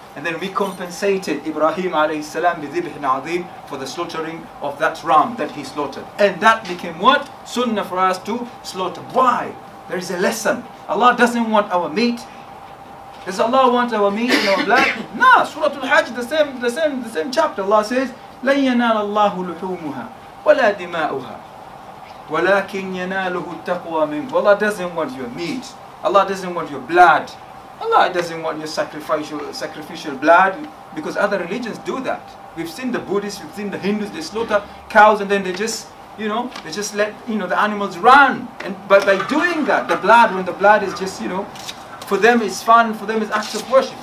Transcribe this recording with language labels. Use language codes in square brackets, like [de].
[en] And then we compensated Ibrahim alayhi salam [ar] بِذِبْحٍ عَظِيمٍ [en] for the slaughtering of that ram that he slaughtered. And that became what? Sunnah for us to slaughter. Why? There is a lesson. Allah doesn't want our meat. Does Allah want our meat and our blood? No, Surah Al-Hajj, the same chapter, Allah says, [ar] لَنْ يَنَالَ اللَّهُ لُحُومُهَا وَلَا دِمَاؤُهَا وَلَكِنْ يَنَالُهُ التَّقْوَى مِنْكُمْ. [en] Allah doesn't want your meat. Allah doesn't want your blood. Allah doesn't want your sacrificial blood, because other religions do that. We've seen the Buddhists, we've seen the Hindus, they slaughter cows and then they just let, you know, the animals run. And but by doing that, the blood is just, you know, for them it's fun, for them it's acts of worship.